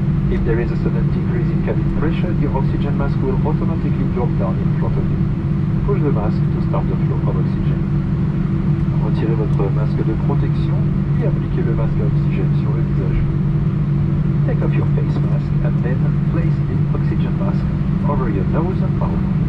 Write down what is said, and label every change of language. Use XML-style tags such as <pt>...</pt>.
<en>If there is a sudden decrease in cabin pressure, your oxygen mask will automatically drop down in front of you. Push the mask to start the flow of oxygen.</en> <fr>Retirez votre masque de protection et appliquez le masque à oxygène sur le visage.</fr> <en>Take off your face mask and then place the oxygen mask over your nose and mouth.</en>